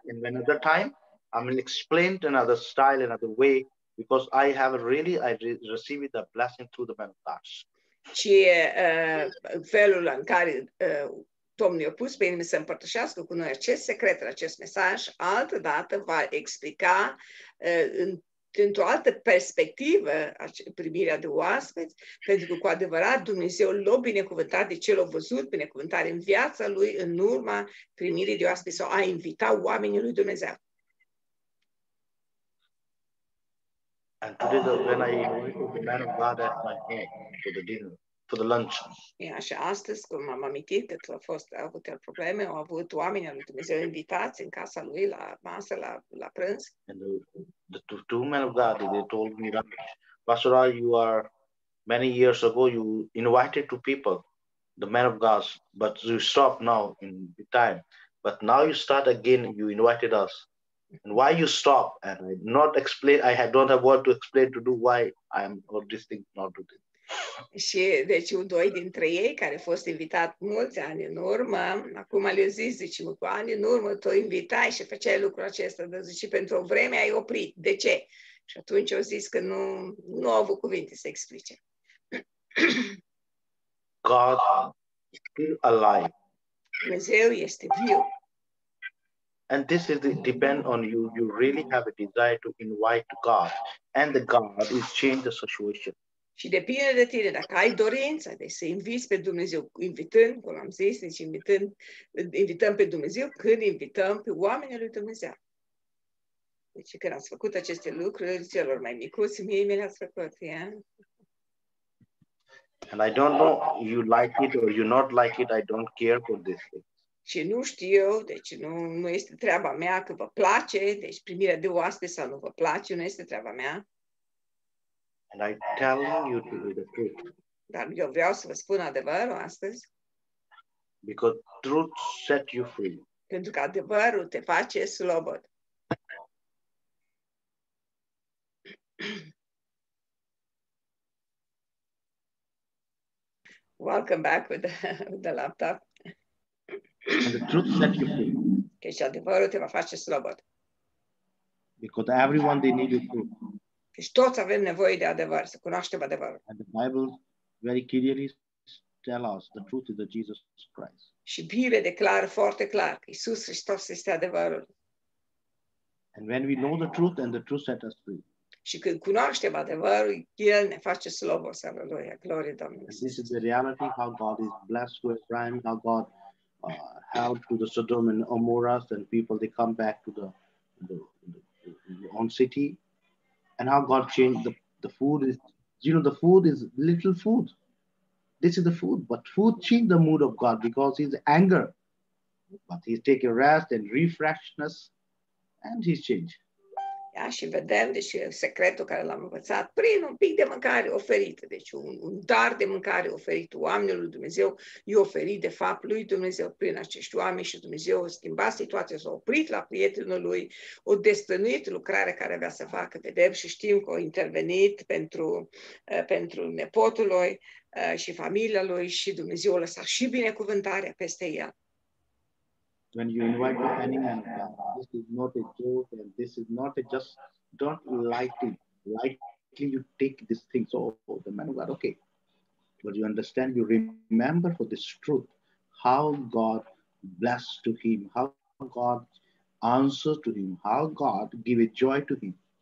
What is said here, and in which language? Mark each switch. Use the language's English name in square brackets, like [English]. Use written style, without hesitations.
[English] In another time, I will explain another style, another way, because I have really, I received the blessing through the man of God. [Romanian] Și felul în care Domnul i-a pus pe inimă să împărtășească cu noi acest secret, acest mesaj, altă dată va explica într-o altă perspectivă primirea de oaspeți, pentru că cu adevărat Dumnezeu l-a binecuvântat de ce l-a văzut, binecuvântare în viața lui în urma primirii de oaspeți sau a invita oamenii lui Dumnezeu. [English] And today when I invite the man of God at my home for the dinner, for the lunch. [Romanian] Yeah, și astăzi când m-am amintit că a fost a avut probleme, au avut oameni al lui Dumnezeu invitați în casa lui la masă la la prânz. [English] And the two men of God, they told me, Pastor, you are many years ago you invited two people, the men of God, but you stop now in time. But now you start again, you invited us. And why you stop? And I not explain, I don't have what to explain to do why I am or this thing not to do. [Romanian] Și deci doi dintre ei care a fost invitat mulți ani în urmă, acum le-a zis, zice, cu ani în urmă tu invitai și făceai lucrul acesta, dar zice, pentru o vreme ai oprit. De ce? Și atunci au zis că nu au avut cuvinte să explice. [English] God is still alive. [Romanian] Dumnezeu este viu. [English] And this is depend on you. You really have a desire to invite God and the God is change the situation. [Romanian] Și depinde de tine dacă ai dorința de să inviți pe Dumnezeu, invitând, cum am zis, deci invităm pe Dumnezeu când invităm pe oamenii lui Dumnezeu. Deci când ați făcut aceste lucruri, celor mai micuți, mie le-ați făcut, ia? [English] And I don't know if you like it or you not like it, I don't care for this thing. [Romanian] Și nu știu, deci nu este treaba mea că vă place, deci primirea de oaste sau nu vă place, nu este treaba mea. [English] And I tell you to be the truth. [Romanian] Dar eu vreau să vă spun adevărul astăzi. [English] Because truth set you free. [Romanian] Pentru că adevărul te face slobod. [English] Welcome back with the laptop. And the truth set you free. [Romanian] Căci adevărul te va face slobod. [English] Because everyone they need you truth. [Romanian] Deci toți avem nevoie de adevăr, să cunoaștem adevărul. [English] And the Bible very clearly tells us the truth is that Jesus Christ. [Romanian] Și Biblia declară foarte clar că Iisus Hristos este adevărul. [English] And when we know the truth, then the truth sets us free. [Romanian] Și când cunoaștem adevărul, El ne face slobos, aleluia, glorie Domnului. [English] And this is the reality how God is blessed with Abraham, how God held to the Sodom and Amorah, and people they come back to the own city. And how God changed the food is, you know, the food is little food. This is the food, but food changed the mood of God because his anger. But he's taking rest and refreshness and he's changed. [Romanian] Ia și vedem, deci secretul care l-am învățat, prin un pic de mâncare oferită, deci un dar de mâncare oferit oamenilor lui Dumnezeu, i-a oferit de fapt lui Dumnezeu prin acești oameni și Dumnezeu a schimbat situația, s-a oprit la prietenul lui, a destănuit lucrarea care avea să facă, vedem și știm că a intervenit pentru nepotul lui și familia lui și Dumnezeu a lăsat și binecuvântarea peste el. [English] When you invite the enemy, this is not a joke, and this is not a just, don't lightly you take these things over the man of God, okay. But you understand, you remember for this truth, how God blessed to him, how God answered to him, how God gave a joy to him.